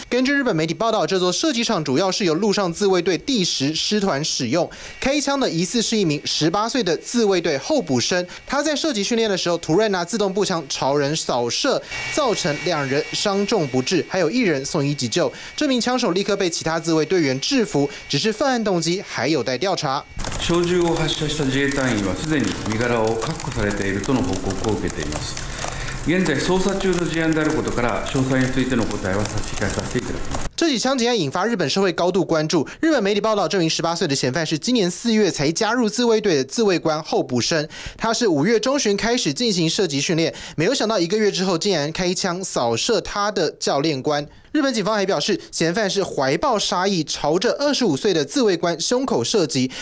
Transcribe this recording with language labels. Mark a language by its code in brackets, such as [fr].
[zh] 根据日本媒体报道，这座射击场主要是由陆上自卫队第10师团使用，开枪的疑似是一名18岁的自卫队候补生，他在射击训练的时候突然拿自动步枪朝人扫射，造成2人伤重不治，还有1人送医急救。这名枪手立刻被其他自卫队员制服，只是犯案动机还有待调查。 [ja] 小銃を発射した自衛隊員はすでに身柄を確保されているとの報告を受けています。現在捜査中の事案であることから、詳細についての答えは差し控えさせていただきます。 [zh] 这起枪击案引发日本社会高度关注。日本媒体报道，这名18岁的嫌犯是今年4月才加入自卫队的自卫官候补生。他是5月中旬开始进行射击训练，没有想到1个月之后竟然开枪扫射他的教练官。日本警方还表示，嫌犯是怀抱杀意朝着25岁的自卫官胸口射击。